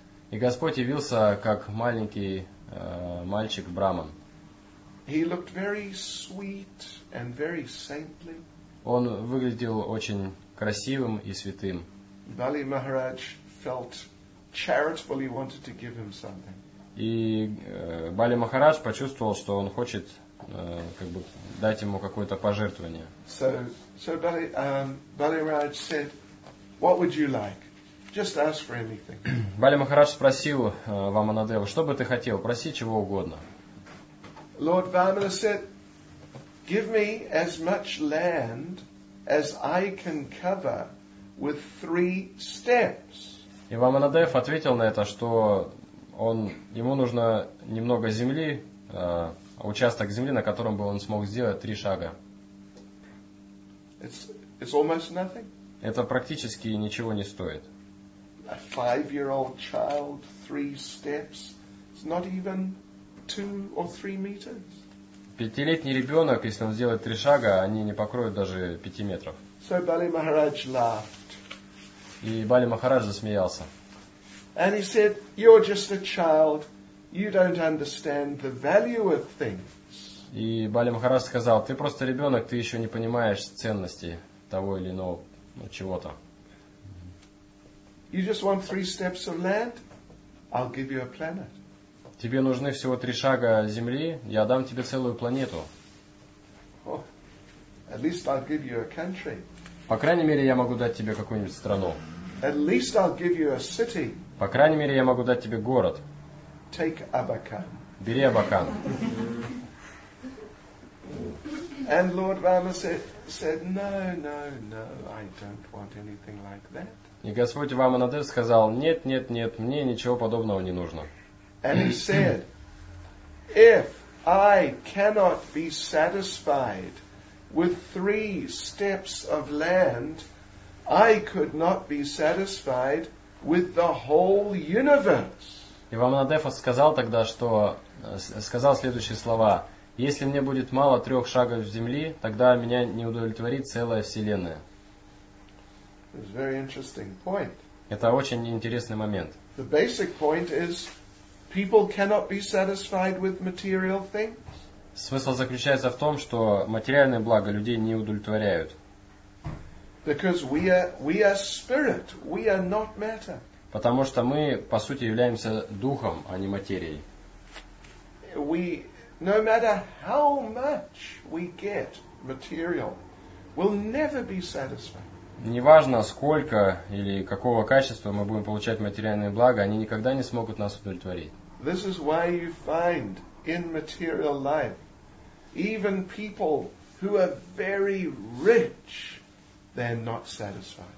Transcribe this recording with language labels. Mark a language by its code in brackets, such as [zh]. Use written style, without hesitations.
[ru] И Господь явился как маленький мальчик-браман. [en] He looked very sweet and very saintly. [ru] Он выглядел очень красивым и святым. [en] Дали Махарадж felt charitably wanted to give him something. [ru] И Бали Махарадж почувствовал, что он хочет как бы дать ему какое-то пожертвование. [en] So Бали Махарадж said, "What would you like? Just ask for anything." [ru] Бали Махарадж спросил Ваманадеву, "Что бы ты хотел? Проси чего угодно." [en] Lord Vamana said, "Give me as much land as I can cover with three steps." [ru] И Ваманадев ответил на это, что он, ему нужно немного земли, участок земли, на котором бы он смог сделать три шага. [en] It's almost nothing. [ru] Это практически ничего не стоит. [en] A five-year-old child, three steps, it's not even two or three meters. [ru] Пятилетний ребенок, если он сделает три шага, они не покроют даже пяти метров. [en] So Бали Махарадж laughed. [ru] И Бали Махарадж засмеялся. [en] And he said, "You're just a child. You don't understand the value of things." [ru] И Бали Махарадж сказал, "Ты просто ребенок, ты еще не понимаешь ценности того или иного ну, чего-то." [en] You just want three steps of land? I'll give you a planet. [ru] Тебе нужны всего три шага земли, я дам тебе целую планету. [en] Oh, at least I'll give you a country. [ru] По крайней мере, я могу дать тебе какую-нибудь страну. [en] At least I'll give you a city. [ru] По крайней мере, я могу дать тебе город. [en] Take Abakan. [ru] Бери Абакан. [en] And Lord Rama said, no, I don't want anything like that. [ru] И Господь Ваманадев сказал, нет, мне ничего подобного не нужно. [en] And he said, if I cannot be satisfied with three steps of land, I could not be satisfied with the whole universe. [ru] И Ваманадев сказал тогда, что сказал следующие слова: если мне будет мало трех шагов земли, тогда меня не удовлетворит целая вселенная. [en] It's a very interesting point. [ru] Это очень интересный момент. [en] The basic point is, people cannot be satisfied with material things. [ru] Смысл заключается в том, что материальные блага людей не удовлетворяют. [en] Because we are spirit, we are not matter. [ru] Потому что мы, по сути, являемся духом, а не материей. [en] We, no matter how much we get material, we'll never be satisfied. [ru] Неважно, сколько или какого качества мы будем получать материальные блага, они никогда не смогут нас удовлетворить. [en] This is why you find in material life, even people who are very rich, they're not satisfied.